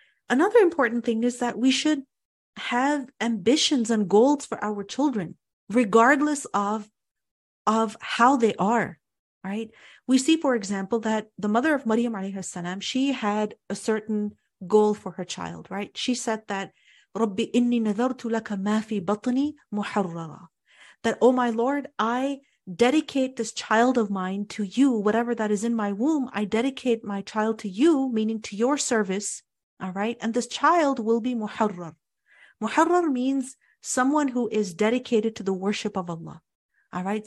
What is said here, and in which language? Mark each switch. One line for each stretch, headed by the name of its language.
English: Another important thing is that we should have ambitions and goals for our children, regardless of how they are, right? We see, for example, that the mother of Maryam alayhi salam, she had a certain goal for her child, right? She said that,
Arabic: رَبِّ إِنِّي نَذَرْتُ لَكَ مَا فِي بَطْنِي مُحَرَّرًا.
English: That, oh my Lord, I dedicate this child of mine to you, whatever that is in my womb, I dedicate my child to you, meaning to your service, all right? And this child will be muharrar. Muharrar means someone who is dedicated to the worship of Allah, all right?